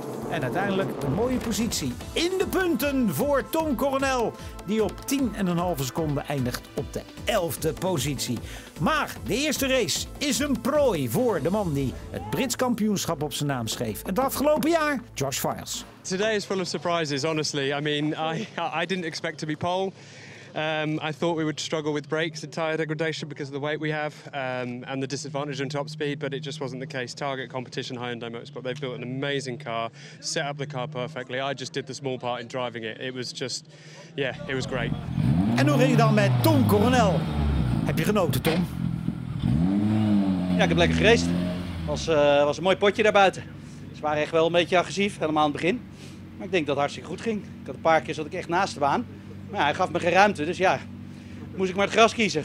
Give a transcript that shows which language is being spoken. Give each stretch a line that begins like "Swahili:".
Dutch: En uiteindelijk een mooie positie in de punten voor Tom Coronel. Die op 10,5 seconden eindigt op de 11e positie. Maar de eerste race is een prooi voor de man die het Brits kampioenschap op zijn naam schreef. Het afgelopen jaar, Josh Files.
English: Today is full of surprises, honestly. I mean, I didn't expect to be pole. I thought we would struggle with brakes and tyre degradation because of the weight we have and the disadvantage in top speed, but it just wasn't the case. Target competition, Hyundai Motorsport, they've built an amazing car, set up the car perfectly. I just did the small part in driving it. It was just, yeah, it was great.
Dutch: En hoe ging het dan met Tom Coronel? Heb je genoten, Tom? Ja, ik heb lekker gereced. Was een mooi potje daarbuiten. Ze waren echt wel een beetje agressief, helemaal aan het begin. Maar ik denk dat het hartstikke goed ging. Ik had een paar keer zat ik echt naast de baan. Maar ja, hij gaf me geen ruimte, dus ja, moest ik maar het gras kiezen.